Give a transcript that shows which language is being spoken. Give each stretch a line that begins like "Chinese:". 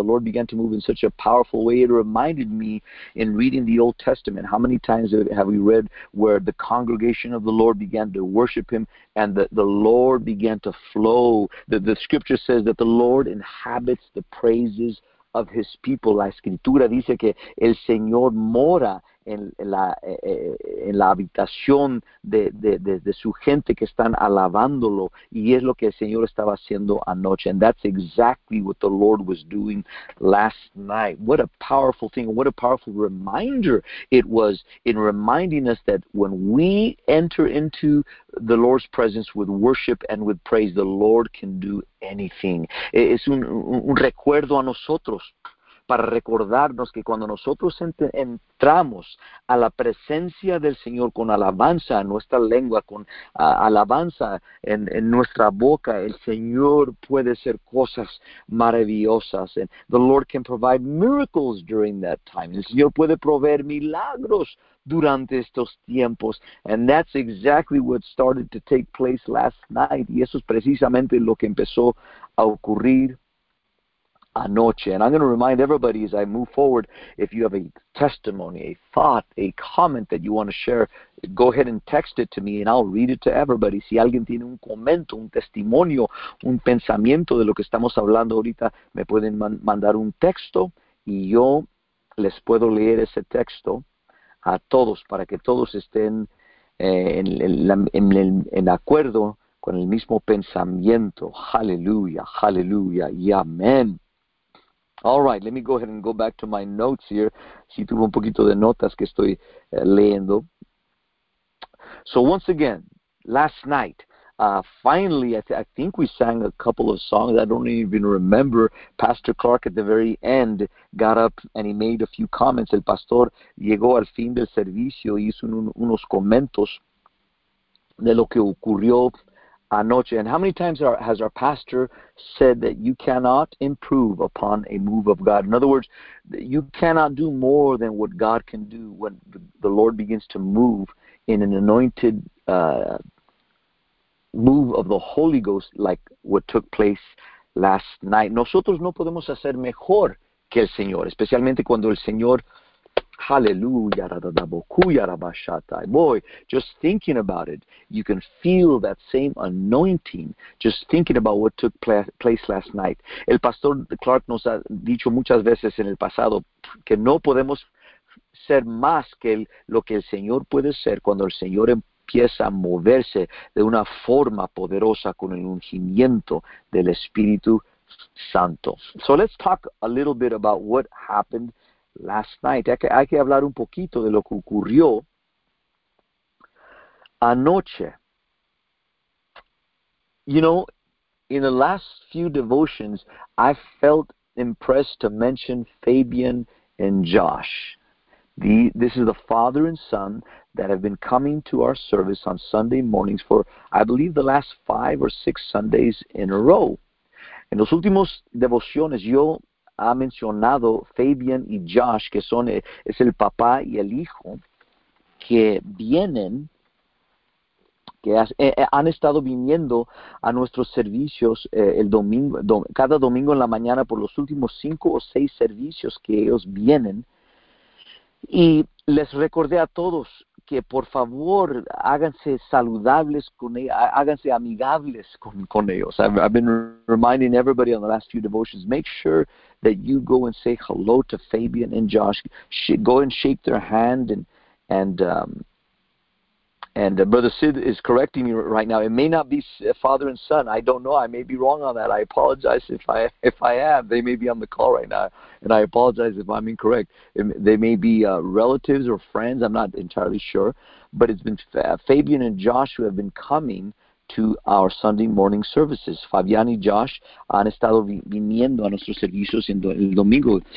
English: The Lord began to move in such a powerful way. It reminded me in reading the Old Testament, how many times have we read where the congregation of the Lord began to worship Him and the Lord began to flow. The scripture says that the Lord inhabits the praises of His people.
Spanish: La escritura dice que el Señor mora en la habitación de su gente que están alabándolo, y es lo que el Señor estaba haciendo anoche.
English: And that's exactly what the Lord was doing last night. What a powerful thing, what a powerful reminder it was in reminding us that when we enter into the Lord's presence with worship and with praise, the Lord can do anything.
Spanish: Es un recuerdo a nosotros, para recordarnos que cuando nosotros entramos a la presencia del Señor con alabanza en nuestra lengua, con alabanza en nuestra boca, el Señor puede hacer cosas maravillosas.
English: And the Lord can provide miracles during that time.
Spanish: El Señor puede proveer milagros durante estos tiempos.
English: And that's exactly what started to take place last night.
Spanish: Y eso es precisamente lo que empezó a ocurrir anoche.
English: And I'm going to remind everybody as I move forward, if you have a testimony, a thought, a comment that you want to share, go ahead and text it to me and I'll read it to everybody.
Spanish: Si alguien tiene un comento, un testimonio, un pensamiento de lo que estamos hablando ahorita, me pueden mandar un texto y yo les puedo leer ese texto a todos para que todos estén en acuerdo con el mismo pensamiento.
English: Hallelujah, hallelujah,
Spanish: y amén.
English: All right, let me go ahead and go back to my notes here.
Spanish: Si tuve un poquito de notas que estoy leyendo.
English: So once again, last night, finally, I think we sang a couple of songs. I don't even remember. Pastor Clark at the very end got up and he made a few comments.
Spanish: El pastor llegó al fin del servicio y hizo unos comentos de lo que ocurrió anoche.
English: And how many times has our pastor said that you cannot improve upon a move of God? In other words, you cannot do more than what God can do when the Lord begins to move in an anointed move of the Holy Ghost, like what took place last night.
Spanish: Nosotros no podemos hacer mejor que el Señor, especialmente cuando el Señor...
English: Hallelujah. Boy, just thinking about it, you can feel that same anointing just thinking about what took place last night.
Spanish: El pastor Clark nos ha dicho muchas veces en el pasado que no podemos ser más que lo que el Señor puede ser cuando el Señor empieza a moverse de una forma poderosa con el ungimiento del Espíritu Santo.
English: So let's talk a little bit about what happened last night.
Spanish: Hay que hablar un poquito de lo que ocurrió anoche.
English: You know, in the last few devotions, I felt impressed to mention Fabian and Josh. This is the father and son that have been coming to our service on Sunday mornings for, I believe, the last 5 or 6 Sundays in a row.
Spanish: En los últimos devociones, yo ha mencionado Fabian y Josh, que son es el papá y el hijo, que vienen, que han estado viniendo a nuestros servicios cada domingo en la mañana por los últimos 5 o 6 servicios que ellos vienen. Y les recordé a todos que por favor háganse saludables con ellos, háganse amigables con ellos.
English: I've been reminding everybody on the last few devotions, make sure that you go and say hello to Fabian and Josh. Go and shake their hand and Brother Sid is correcting me right now. It may not be father and son. I don't know. I may be wrong on that. I apologize if I am. They may be on the call right now, and I apologize if I'm incorrect. They may be relatives or friends. I'm not entirely sure. But it's been Fabian and Josh who have been coming to our Sunday morning services.
Spanish: Fabian y Josh han estado viniendo a nuestros servicios el domingo.